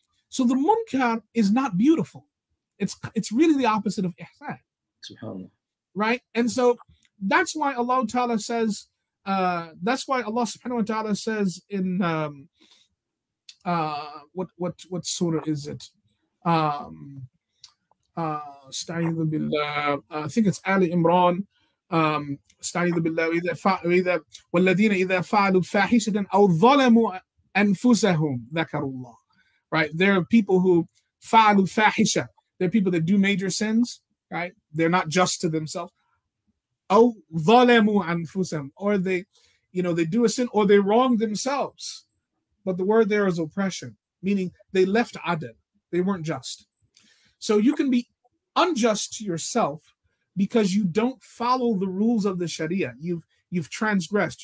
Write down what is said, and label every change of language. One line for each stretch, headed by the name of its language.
English: So the munkar is not beautiful. It's really the opposite of ihsan. Right? And so that's why Allah Ta'ala says, that's why Allah subhanahu wa ta'ala says in what surah is it?
Arabic: استعيذ بالله.
English: I think it's Ali Imran.
Arabic: استعيذ بالله. وإذا والذين إذا فعلوا فاحشة أو ظلموا أنفسهم ذكروا الله.
English: Right? There are people who
Arabic: فعلوا فاحشة.
English: There are people that do major sins. Right? They're not just to themselves.
Arabic: أو ظلموا أنفسهم.
English: Or they, you know, they do a sin or they wrong themselves. But the word there is oppression, meaning they left Adil. They weren't just. So you can be unjust to yourself because you don't follow the rules of the Sharia. You've transgressed.